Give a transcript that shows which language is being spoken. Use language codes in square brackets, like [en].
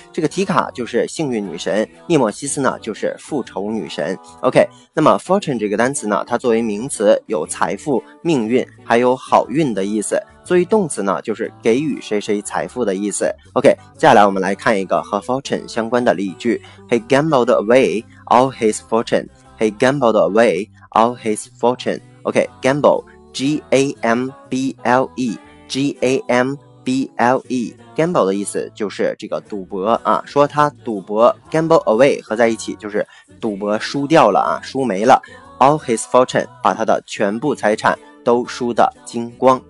[zh] 这个提卡就是幸运女神，涅墨西斯呢就是复仇女神。 OK， 那么 fortune 这个单词呢，它作为名词有财富、命运还有好运的意思，作为动词呢就是给予谁谁财富的意思。 OK， 接下来我们来看一个和 fortune 相关的例句。 [en] He gambled away all his fortune. He gambled away all his fortune. [zh] OK， gamble， G-A-M-B-L-E， G-A-M-B-L-E，gamble 的意思就是这个赌博啊，说他赌博， [en] gamble away [zh] 合在一起就是赌博输掉了啊，输没了 [en] all his fortune， [zh] 把他的全部财产都输得精光。